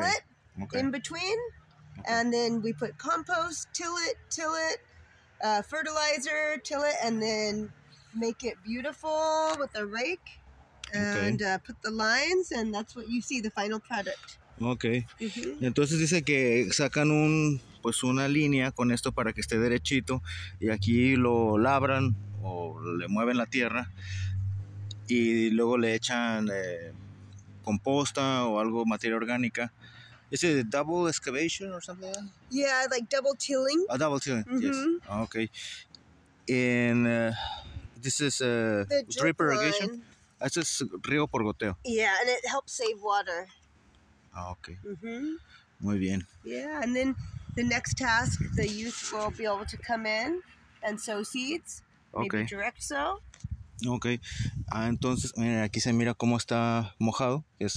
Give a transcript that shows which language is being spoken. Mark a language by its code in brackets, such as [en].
[en] okay. it okay. in between. Okay. And then we put compost, till it, fertilizer, till it, and then make it beautiful with a rake and okay. Put the lines, and that's what you see, the final product. Okay. Mm-hmm. [es] Entonces dice que sacan un, pues una línea con esto para que esté derechito, y aquí lo labran o le mueven la tierra, y luego le echan composta o algo, materia orgánica. [en] Is it a double excavation or something like that? Yeah, like double tilling. A double tilling, mm-hmm. yes. Okay. And this is a drip irrigation? This is [es] río por goteo. [en] Yeah, and it helps save water. Okay. Mm-hmm. [es] Muy bien. [en] Yeah, and then the next task, the youth will be able to come in and sow seeds. Okay. Maybe direct sow. Okay. [es] Ah, entonces, mira, aquí se mira cómo está mojado, que es